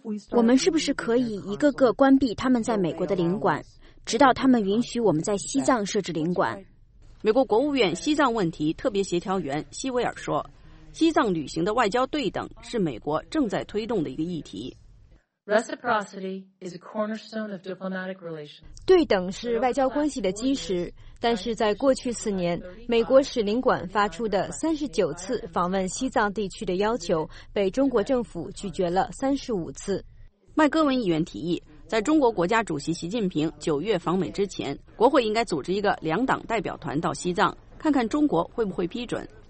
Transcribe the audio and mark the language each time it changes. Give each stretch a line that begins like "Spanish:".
Chinese: 我们是不是可以一个个关闭他们在美国的领馆，直到他们允许我们在西藏设置领馆？美国国务院西藏问题特别协调员希维尔说，西藏旅行的外交对等是美国正在推动的一个议题。
English: Reciprocity is a cornerstone of diplomatic relations.
Chinese: 对等是外交关系的基石。但是在过去四年，美国使领馆发出的39次访问西藏地区的要求被中国政府拒绝了35次。麦戈文议员提议，在中国国家主席习近平九月访美之前，国会应该组织一个两党代表团到西藏，看看中国会不会批准。